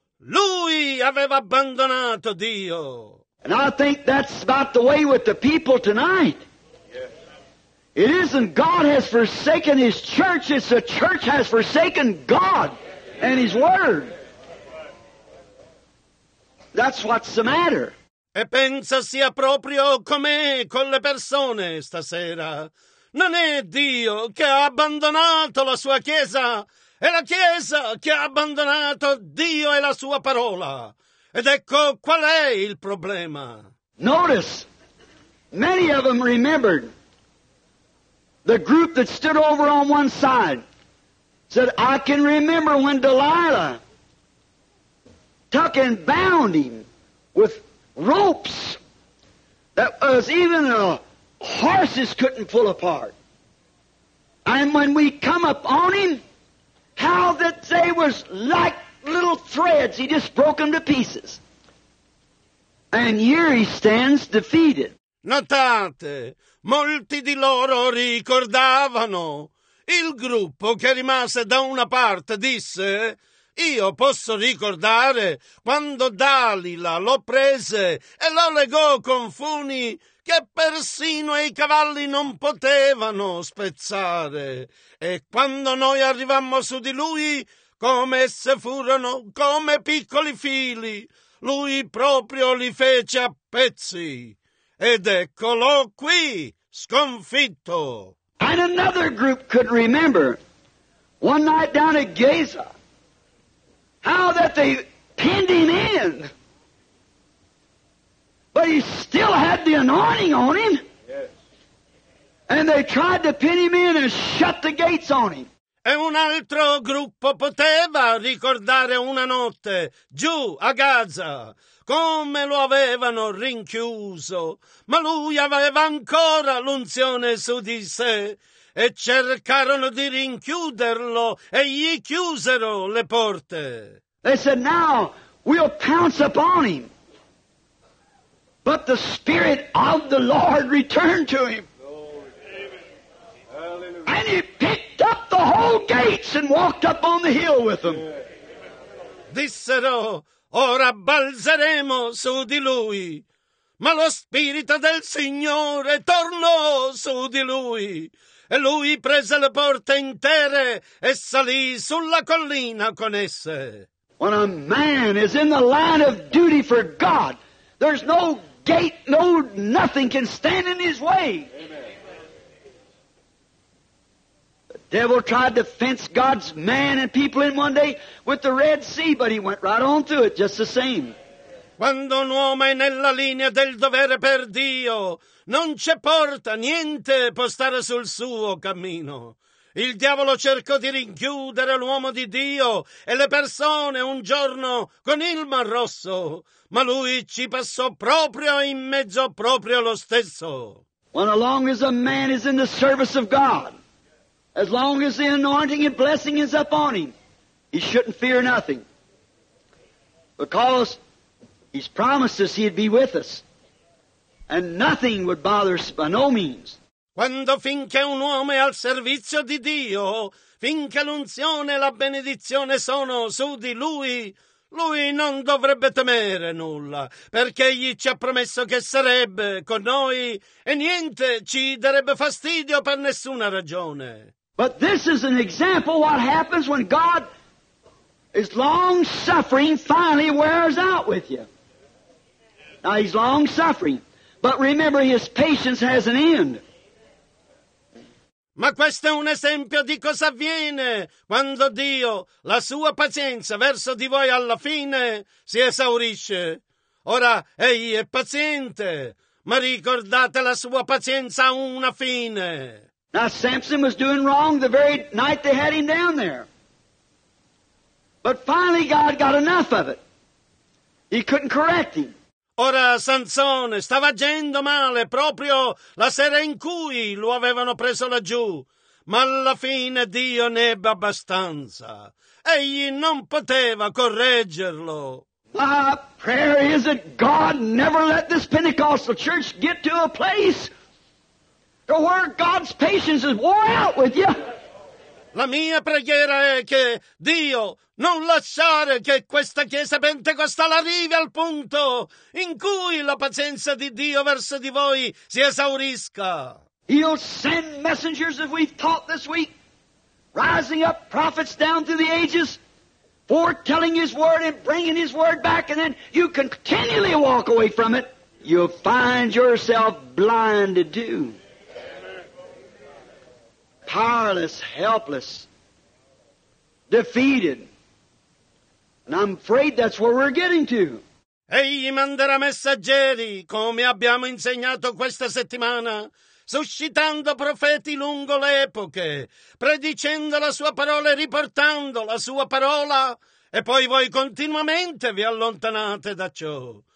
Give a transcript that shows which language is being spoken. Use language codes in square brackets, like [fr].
[it] Lui aveva abbandonato Dio. [en] And I think that's about the way with the people tonight. It isn't God has forsaken his church, it's the church has forsaken God and his word. That's what's the matter. [it] E pensa sia proprio com'è con le persone stasera. Non è Dio che ha abbandonato la sua chiesa, è la chiesa che ha abbandonato Dio e la sua parola. Ed ecco qual è il problema. [en] Notice, many of them remembered. The group that stood over on one side said, I can remember when Delilah took and bound him with ropes that was even the horses couldn't pull apart. And when we come up on him, how that they was like little threads. He just broke them to pieces. And here he stands defeated. [it] Notate, molti di loro ricordavano. Il gruppo che rimase da una parte disse, io posso ricordare quando Dalila lo prese e lo legò con funi che persino i cavalli non potevano spezzare. E quando noi arrivammo su di lui, come se furono come piccoli fili, lui proprio li fece a pezzi. Ed eccolo qui, sconfitto. [en] And another group could remember one night down at Gaza how that they pinned him in. But he still had the anointing on him. And they tried to pin him in and shut the gates on him. [it] E un altro gruppo poteva ricordare una notte giù a Gaza come lo avevano rinchiuso, ma lui aveva ancora l'unzione su di sé e cercarono di rinchiuderlo e gli chiusero le porte. [en] They said, now we'll pounce upon him. But the Spirit of the Lord returned to him. And he picked up the whole gates and walked up on the hill with them. [it] Dissero, ora balzeremo su di lui. Ma lo Spirito del Signore tornò su di lui. E lui prese le porte intere e salì sulla collina con esse. [en] When a man is in the line of duty for God, there's no gate, no nothing can stand in his way. The devil tried to fence God's man and people in one day with the Red Sea, but he went right on through it just the same. [it] Quando un uomo è nella linea del dovere per Dio, non c'è porta, niente può stare sul suo cammino. Il diavolo cercò di rinchiudere l'uomo di Dio e le persone un giorno con il Mar Rosso, ma lui ci passò proprio in mezzo proprio lo stesso. [en] When as long as a man is in the service of God, as long as the anointing and blessing is upon him, he shouldn't fear nothing. Because he's promised us he'd be with us. And nothing would bother us by no means. [it] Quando finché un uomo è al servizio di Dio, finché l'unzione e la benedizione sono su di lui, lui non dovrebbe temere nulla, perché egli ci ha promesso che sarebbe con noi e niente ci darebbe fastidio per nessuna ragione. [en] But this is an example of what happens when God is long-suffering finally wears out with you. Now, he's long-suffering, but remember, his patience has an end. [it] Ma questo è un esempio di cosa avviene quando Dio, la sua pazienza verso di voi alla fine, si esaurisce. Ora, egli è paziente, ma ricordate la sua pazienza a una fine. [en] Now, Samson was doing wrong the very night they had him down there. But finally, God got enough of it. He couldn't correct him. [it] Ora Sansone stava agendo male proprio la sera in cui lo avevano preso laggiù, ma alla fine Dio ne ebbe abbastanza. Egli non poteva correggerlo. [en] My prayer is that God never let this Pentecostal church get to a place where God's patience is worn out with you. [it] La mia preghiera è che Dio non lasciare che questa chiesa pentecostale arrivi al punto in cui la pazienza di Dio verso di voi si esaurisca. [en] He'll send messengers as we've taught this week, rising up prophets down through the ages, foretelling his word and bringing his word back, and then you continually walk away from it, you'll find yourself blinded too. Powerless, helpless, defeated. And I'm afraid that's where we're getting to. [it] Egli manderà messaggeri, come abbiamo insegnato questa settimana, suscitando profeti lungo le epoche, predicendo la sua parola e riportando la sua parola, e poi voi continuamente vi allontanate da ciò.